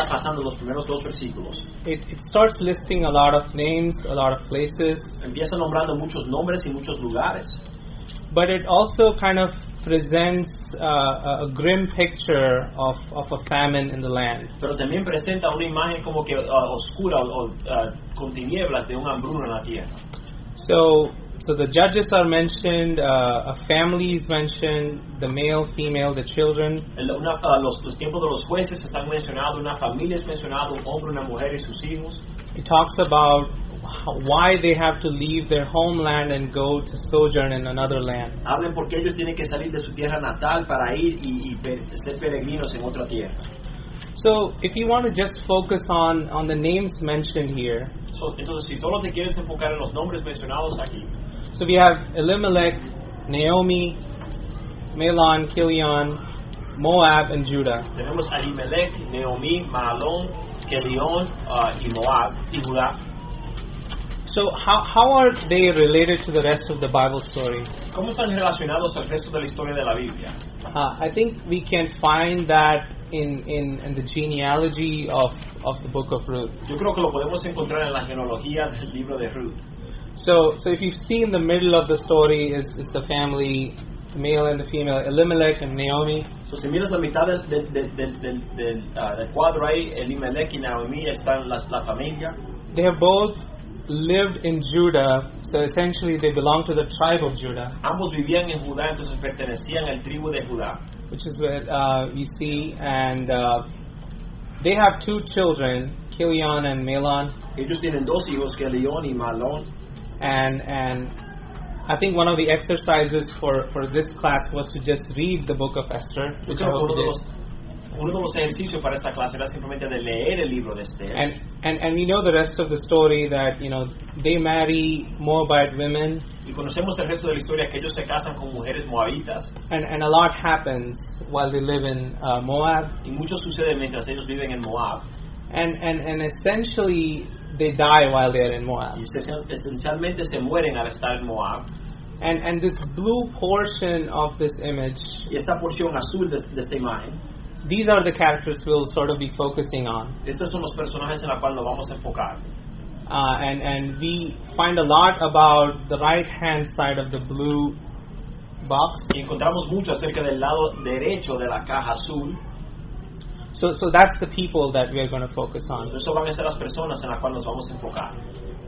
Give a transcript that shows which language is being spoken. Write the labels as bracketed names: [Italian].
[English] It starts listing a lot of names, a lot of places. [Spanish] Empieza nombrando muchos nombres y muchos lugares. [English] But it also kind of presents a grim picture of a famine in the land. [Spanish] Pero también presenta una imagen como que oscura o con tinieblas de un hambruno en la tierra. [English] So the judges are mentioned, a family is mentioned, the male, female, the children. [Spanish] Los tiempos de los jueces están mencionados, una familia es mencionada, un hombre, una mujer y sus hijos. [English] It talks about why they have to leave their homeland and go to sojourn in another land. [Spanish] Hablan porque ellos tienen que salir de su tierra natal para ir y ser peregrinos en otra tierra. [English] So, if you want to just focus on the names mentioned here. [Spanish] So, entonces, si solo te quieres enfocar en los nombres mencionados aquí. [English] So, we have Elimelech, Naomi, Mahlon, Chilion, Moab, and Judah. [Spanish] Tenemos Elimelech, Naomi, Mahlon, Chilion, y Moab, y Judah. [English] So, how are they related to the rest of the Bible story? [Spanish] ¿Cómo están relacionados al resto de la historia de la Biblia? [English] I think we can find that in the genealogy of the book of Ruth. [Spanish] Yo creo que lo podemos encontrar en la genealogía del libro de Ruth. [English] So if you see in the middle of the story is the family, the male and the female, Elimelech and Naomi. [Spanish] So si miras la mitad del cuadro ahí, Elimelech y Naomi están la familia. [English] They have both lived in Judah, so essentially they belong to the tribe of Judah. [Spanish] Ambos vivían en Judá, entonces pertenecían al tribu de Judá. [English] Which is what you see, and they have two children, Chilion and Mahlon. [Spanish] Ellos tienen dos hijos, Chilion y Mahlon. [English] And I think one of the exercises for this class was to just read the book of Esther. Which I hope you did. [Spanish] Uno de los ejercicios para esta clase era simplemente de leer el libro de Esther. [English] And we know the rest of the story that, you know, they marry Moabite women. [Spanish] Y conocemos el resto de la historia que ellos se casan con mujeres moabitas. [English] And a lot happens while they live in Moab. [Spanish] Y mucho sucede mientras ellos viven en Moab. [English] And essentially they die while they are in Moab. [Spanish] Y esencialmente se mueren al estar en Moab. [English] And this blue portion of this image. [Spanish] Y esta porción azul de esta imagen. [English] These are the characters we'll sort of be focusing on. [Spanish] Estos son los personajes en la cual lo vamos a enfocar. [English] And we find a lot about the right hand side of the blue box. [Spanish] Y encontramos mucho acerca del lado derecho de la caja azul. [English] So that's the people that we are going to focus on. [Spanish] Eso van a ser las personas en las cuales nos vamos a enfocar.